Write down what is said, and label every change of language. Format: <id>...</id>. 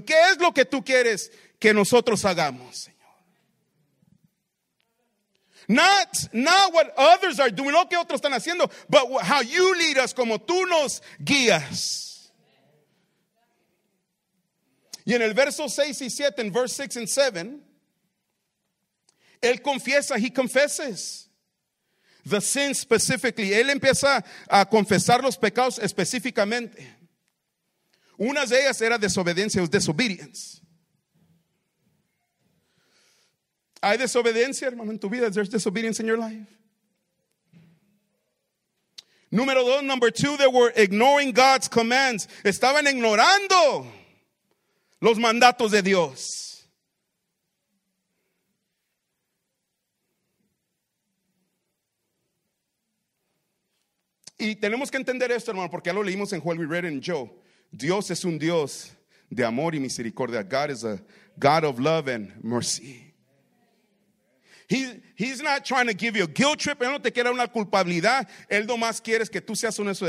<es>¿Qué es lo que tú quieres que nosotros hagamos, Señor?</es> <en>Not what others are doing,</en> <es>no que otros están haciendo,</es> <en>but how you lead us,</en> <es>como tú nos guías. Y en el verso 6 y 7, en</es> <en>verse 6 and 7,</en> <es>él confiesa,</es> <en>he confesses the sin specifically.</en> <es>Él empieza a confesar los pecados específicamente. Una de ellas era desobediencia,</es> <en>it was disobedience.</en> <es>¿Hay desobediencia, hermano, en tu vida?</es> <en>Is there disobedience in your life?</en> <es>Número dos,</es> <en>number two, they were ignoring God's commands.</en> <es>Estaban ignorando los mandatos de Dios. Y tenemos que entender esto, hermano, porque ya lo leímos en Joel,</es> <en>we read in Joe.</en> <es>Dios es un Dios de amor y misericordia.</es> <en>God is a God of love and mercy. He's not trying to give you a guilt trip.</en> <es>Él no te quiere una culpabilidad. Él no más quiere que tú seas honesto.</es>